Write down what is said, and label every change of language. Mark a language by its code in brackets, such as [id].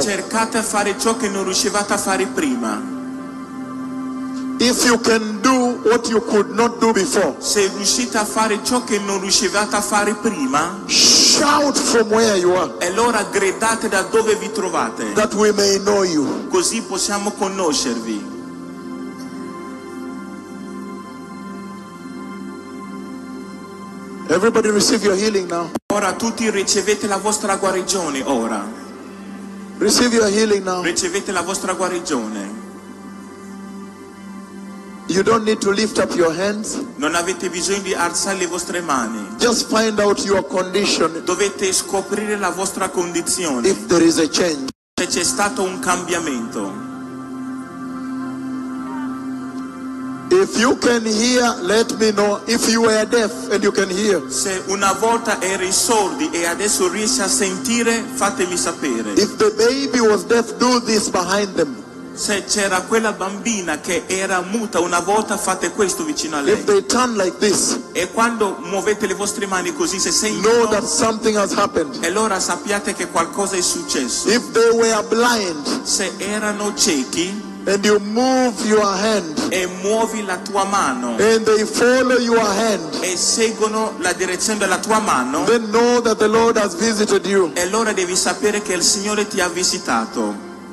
[it] Cercate a fare ciò che non riuscivate a fare prima. [en] If you can do what you could not do before, [it] se riuscite a fare ciò che non riuscivate a fare prima, [en] shout from where you are. [it] E allora gridate da dove vi trovate. [en] That we may know you. [it] Così possiamo conoscervi. [en] Everybody receive your healing now. [it] Ora tutti ricevete la vostra guarigione ora. [en] Receive your healing now. [it] Ricevete la vostra guarigione. [en] You don't need to lift up your hands. [it] Non avete bisogno di alzare le vostre mani. [en] Just find out your condition. [it] Dovete scoprire la vostra condizione. [en] If there is a change. [it] Se c'è stato un cambiamento. [en] If you can hear, let me know. If you were deaf and you can hear. [it] Se una volta eri sordi e adesso riesci a sentire, fatemi sapere. [en] If the baby was deaf, do this behind them. [it] Se c'era quella bambina che era muta una volta, fate questo vicino a lei. [en] If they turn like this, [it] e quando muovete le vostre mani così, se sentono, [en] know that something has happened. [it] E allora sappiate che qualcosa è successo. [en] If they were blind, [it] se erano ciechi, [en] and you move your hand, [it] e muovi la tua mano, [en] and they follow your hand, [it] e seguono la direzione della tua mano, [en] then know that the Lord has visited you. [it] E allora devi sapere che il Signore ti ha visitato.